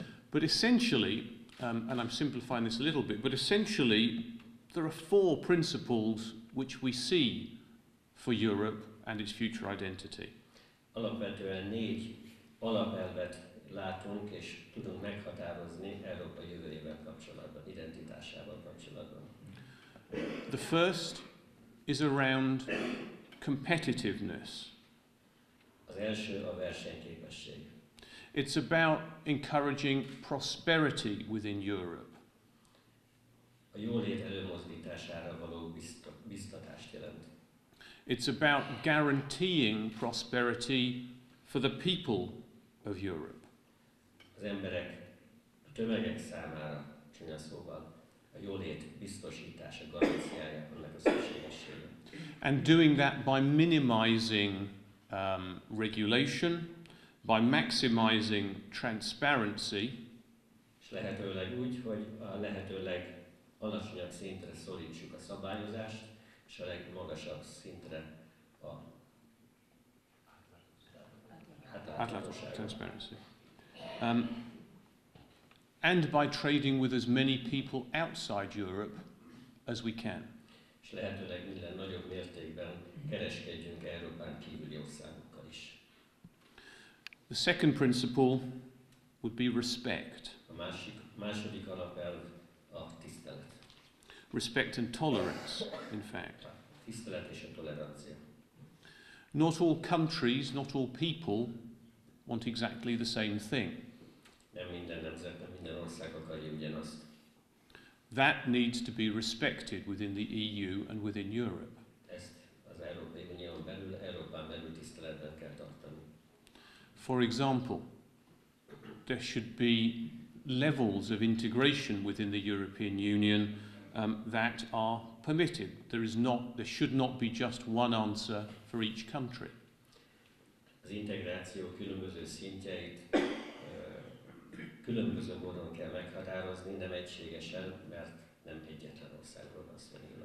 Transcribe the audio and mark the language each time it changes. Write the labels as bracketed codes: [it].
[en] But essentially, and I'm simplifying this a little bit, but essentially there are four principles which we see for Europe and its future identity. [hu] Alapvetően négy alapelvet látunk és tudunk meghatározni Európa jövőjével kapcsolatban, identitásával kapcsolatban. [en] The first is around competitiveness. [hu] Az első a versenyképesség. [en] It's about encouraging prosperity within Europe. [hu] A jólét előmozdítására való biztatást jelent. [en] It's about guaranteeing prosperity for the people of Europe. [hu] Az emberek, a tömegek számára, csúnya szóval, a jólét biztosítása, garanciája annak a szükségessége. [en] And doing that by minimizing regulation, by maximizing transparency, [hu] és lehetőleg úgy, hogy a lehetőleg alacsonyabb szintre szorítsuk a szabályozást, és a legmagasabb szintre a átláthatóság. Transparency. [en] And by trading with as many people outside Europe as we can. [hu] És lehetőleg minden nagyobb mértékben kereskedjünk Európán kívüli országokkal is. [en] The second principle would be respect. [hu] A második alapelv a tisztelet. [en] Respect and tolerance, in fact. [hu] A tisztelet és a tolerancia. [en] Not all countries, not all people want exactly the same thing. [hu] Nem minden nemzet, nem minden ország akarja ugyanazt. [en] That needs to be respected within the EU and within Europe. [hu] Ezt az Európai Unión belül, Európán belül tiszteletben kell tartani. [en] For example, there should be levels of integration within the European Union that are permitted. There should not be just one answer for each country. [hu] Az integráció különböző szintjeit különböző módon kell meghatározni, nem egységesen, mert nem egyetlen országról van szó.